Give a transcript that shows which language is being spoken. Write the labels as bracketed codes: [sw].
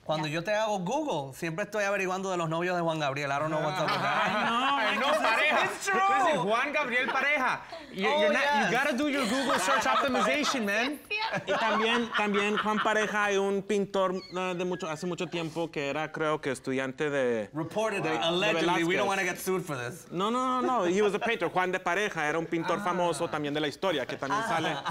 [es] Cuando yo te hago Google, siempre estoy averiguando de los novios de Juan Gabriel. [en] I don't know what's up with that. [es] No, pareja. [en] It's true. Listen, Juan Gabriel pareja. You gotta do your Google search optimization, man. [es] Y también Juan Pareja, hay un pintor hace mucho tiempo que era, creo que estudiante de [en] Reportedly, allegedly, we don't want to get sued for this. No. He was a painter. [es] Juan de Pareja era un pintor famoso también de la historia, que también sale.